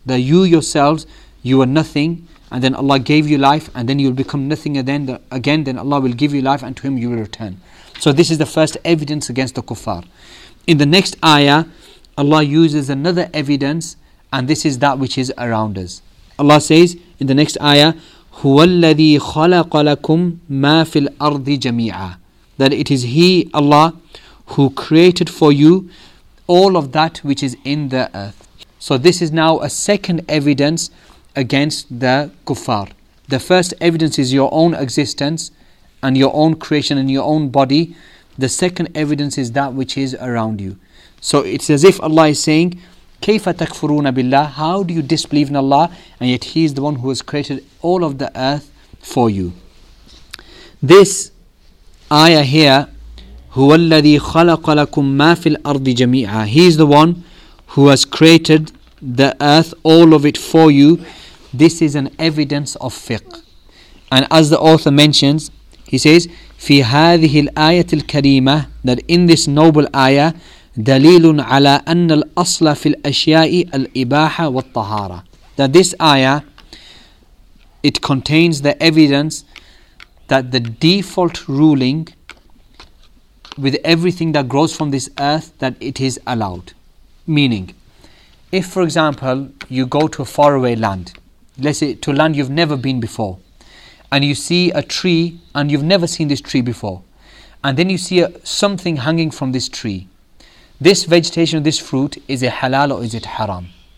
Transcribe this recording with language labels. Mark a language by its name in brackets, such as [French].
[English] That you yourselves, you are nothing, and then Allah gave you life, and then you'll become nothing again, then Allah will give you life, and to Him you will return. So this is the first evidence against the kuffar. In the next ayah, Allah uses another evidence, and this is that which is around us. Allah says in the next ayah, [Arabic] هُوَ الَّذِي خَلَقَ لَكُمْ مَا فِي الْأَرْضِ جَمِيعًا. [English] That it is He, Allah, who created for you all of that which is in the earth. So this is now a second evidence against the kuffar. The first evidence is your own existence and your own creation and your own body. The second evidence is that which is around you. So it's as if Allah is saying, [Arabic] كَيْفَ تَكْفُرُونَ بِاللَّهِ. [English] How do you disbelieve in Allah, and yet He is the one who has created all of the earth for you? This ayah here, [Arabic] هُوَ الَّذِي خَلَقَ لَكُمْ مَا فِي الْأَرْضِ جَمِيعًا. [English] He is the one who has created the earth, all of it for you. This is an evidence of fiqh. And as the author mentions, he says, [Arabic] في هذه الآية الكريمة, [English] that in this noble ayah, [Arabic] دليل على أن الأصل في الأشياء الإباحة والطهارة. [English] That this ayah, it contains the evidence that the default ruling with everything that grows from this earth, that it is allowed. Meaning, if for example, you go to a faraway land, let's say to a land you've never been before, and you see a tree, and you've never seen this tree before, and then you see something hanging from this tree, this vegetation, this fruit, is it halal or is it haram?